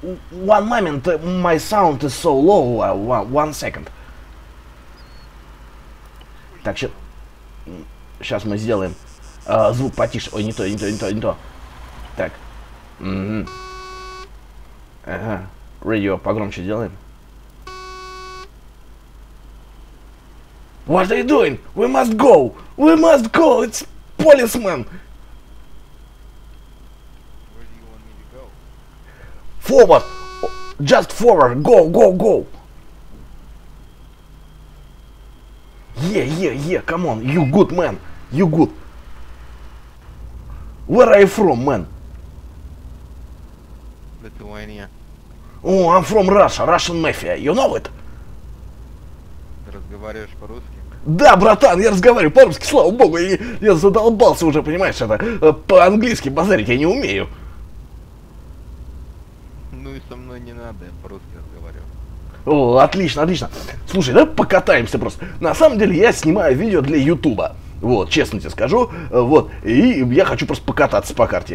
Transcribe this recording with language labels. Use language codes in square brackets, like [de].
[en] One moment, my sound is so low. One second. [ru] Так, сейчас мы сделаем звук потише. Ой, не то. Так. Ага. Радио погромче сделаем. [en] What are you doing? We must go! It's policeman! Where do you want me to go? Forward! Just forward! Go! Yeah, come on! You good, man! Where are you from, man? Lithuania. Oh, I'm from Russia, Russian mafia, you know it? [ru] Разговариваешь по-русски? Да, братан, я разговариваю по-русски, слава богу, я задолбался уже, понимаешь, это по-английски базарить я не умею. Ну и со мной не надо, я по-русски разговариваю. О, отлично. Слушай, давай покатаемся просто. На самом деле я снимаю видео для Ютуба, вот, честно тебе скажу, вот, и я хочу просто покататься по карте.